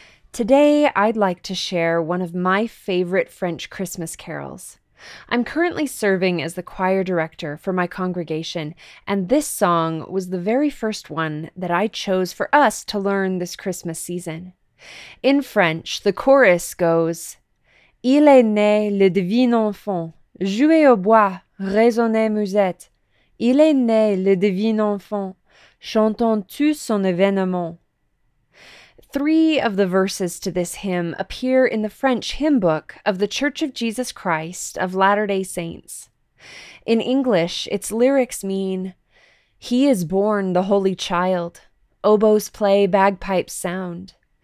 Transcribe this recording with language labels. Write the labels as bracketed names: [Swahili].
[English] Today, I'd like to share one of my favorite French Christmas carols. I'm currently serving as the choir director for my congregation, and this song was the very first one that I chose for us to learn this Christmas season. In French, the chorus goes, [French] Il est né le divin enfant, jouez au bois, résonnez musette. Il est né le divin enfant, chantons tous son événement. [English] Three of the verses to this hymn appear in the French hymn book of the Church of Jesus Christ of Latter-day Saints. In English, its lyrics mean, He is born the Holy Child, oboes play, bagpipes sound.